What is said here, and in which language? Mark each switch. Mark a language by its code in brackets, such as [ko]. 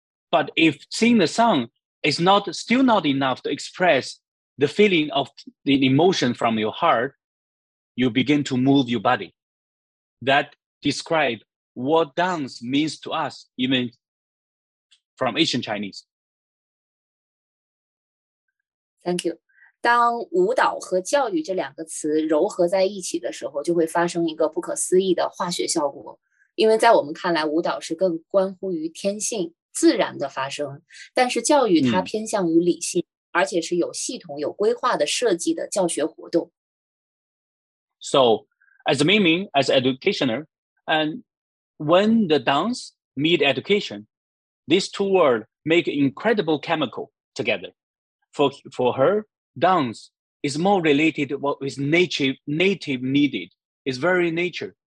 [en] But if sing the song is still not enough to expressthe feeling of the emotion from your heart, you begin to move your body. That describes what dance means to us, even from ancient Chinese. Thank you. [zh] 当舞蹈和教育这两个词糅合在一起的时候，就会发生一个不可思议的化学效果。因为在我们看来，舞蹈是更关乎于天性自然的发生，但是教育它偏向于理性。 Mm. 而且是有系统有规划的设计的教学活动。 [en] So, as a meaning, as an educationer, and when the dance meet education, these two words make incredible chemical together. For her, dance is more related to what is native needed. It's very nature.